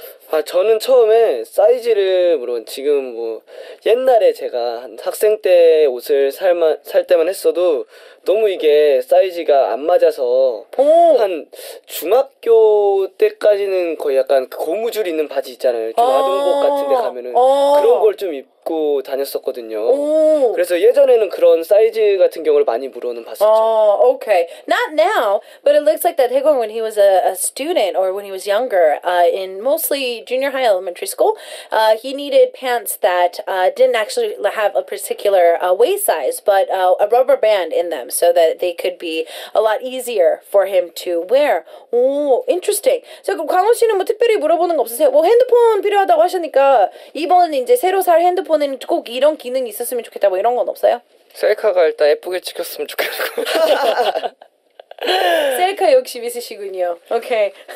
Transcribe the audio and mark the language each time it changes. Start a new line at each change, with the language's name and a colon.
Korean: 아 저는 처음에 사이즈를 물어본 지금 뭐 옛날에 제가 한 학생 때 옷을 살 때만 했어도 너무 이게 사이즈가 안 맞아서 오! 한 중학교 때까지는 거의 약간 고무줄 있는 바지 있잖아요. 좀 아동복 같은데 가면은 그런 걸 좀 입고 다녔었거든요. 오! 그래서 예전에는 그런 사이즈 같은 경우를 많이 물어는 봤었죠.
English: Okay, not now, but it looks like that Haegong when he was a student or when he was younger, in mostly junior high elementary school, he needed pants that didn't actually have a particular waist size, but a rubber band in them so that they could be a lot easier for him to wear. Oh, interesting.
Korean: So, 광호 씨는 뭐 특별히 물어보는 거 없으세요? 뭐 핸드폰 필요하다고 하시니까 이번 이제 새로 살 핸드폰은 꼭 이런 기능이 있었으면 좋겠다 뭐 이런 건 없어요? 셀카가 일단 예쁘게 찍혔으면 좋겠고. 셀카 욕심 있으시군요. 오케이.